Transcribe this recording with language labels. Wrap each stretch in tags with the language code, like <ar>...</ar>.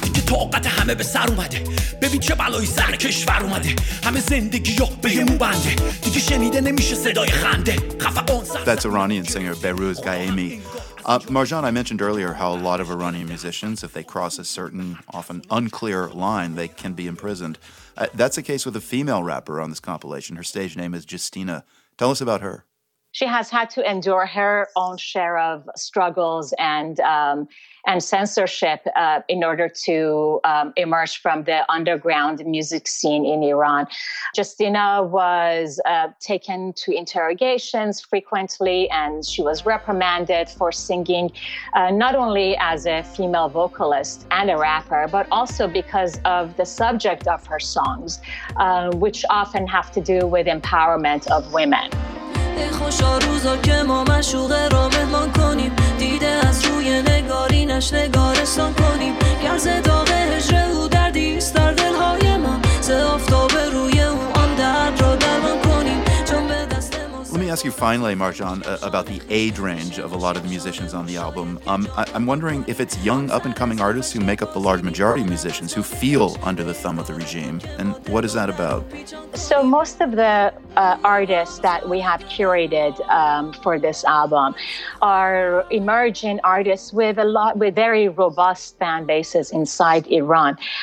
<fa>طاقت همه به سر اومده ببین چه بلایی سر کشور اومده همه زندگی یا به یه موبنده دیگه شنیده نمیشه صدای خنده خفقان سر.</fa> <en>That's Iranian singer Behrouz Ghaemi. Marjan, I mentioned earlier how a lot of Iranian musicians, if they cross a certain, often unclear line, they can be imprisoned. That's the case with a female rapper on this compilation. Her stage name is Justina. Tell us about her. She has had to endure her own share of struggles and censorship in order to emerge from the underground music scene in Iran. Justina was taken to interrogations frequently, and she was reprimanded for singing not only as a female vocalist and a rapper, but also because of the subject of her songs, which often have to do with empowerment of women.</en> <fa>خوشا روزا که ما مشوقه را مهمان کنیم دیده از روی نگارینش نگارستان کنیم گرز داغ هجره او دردیست در دلهای ما سه افتاب روی او آن درد را درمان کنیم چون به دست ما.</fa> <en>Let me ask you finally, Marjan, about the age range of a lot of the musicians on the album. I'm wondering if it's young up-and-coming artists who make up the large majority of musicians who feel under the thumb of the regime, and what is that about? So most of the artists that we have curated for this album are emerging artists with a lot, with very robust fan bases inside Iran.</en>